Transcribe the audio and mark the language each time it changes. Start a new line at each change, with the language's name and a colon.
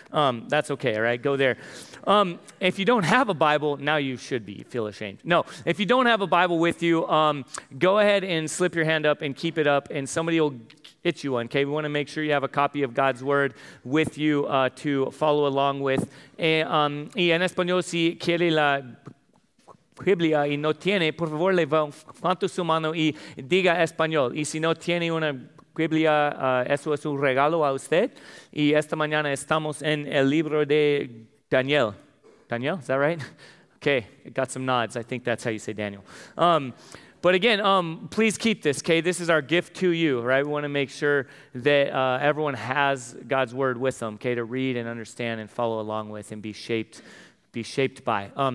English: That's okay, all right? Go there. If you don't have a Bible, now you should be. Feel ashamed. No, if you don't have a Bible with you, go ahead and slip your hand up and keep it up, and somebody will hit you one, okay? We want to make sure you have a copy of God's Word with you to follow along with.
Spanish: Y en español, si quiere la Biblia y no tiene, por favor, levante su mano y diga español. Y si no tiene una Biblia, eso es un regalo a usted. Y esta mañana estamos en el libro de Daniel.
English: Daniel, is that right? Okay, got some nods. I think that's how you say Daniel. But again, please keep this, okay? This is our gift to you, right? We want to make sure that everyone has God's word with them, okay, to read and understand and follow along with and be shaped by.